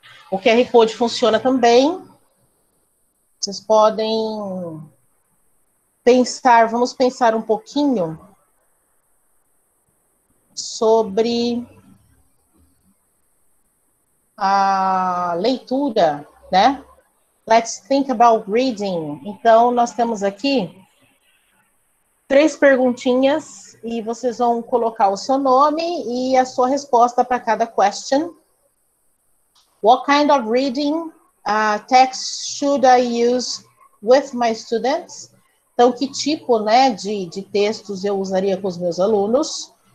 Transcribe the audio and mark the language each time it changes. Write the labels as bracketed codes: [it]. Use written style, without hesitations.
[pt] O QR Code funciona também. Vocês podem pensar, vamos pensar um pouquinho sobre a leitura, né? [en] Let's think about reading. [pt] Então, nós temos aqui três perguntinhas e vocês vão colocar o seu nome e a sua resposta para cada question. [en] What kind of reading text should I use with my students? [pt] Então, que tipo, né, de textos eu usaria com os meus alunos?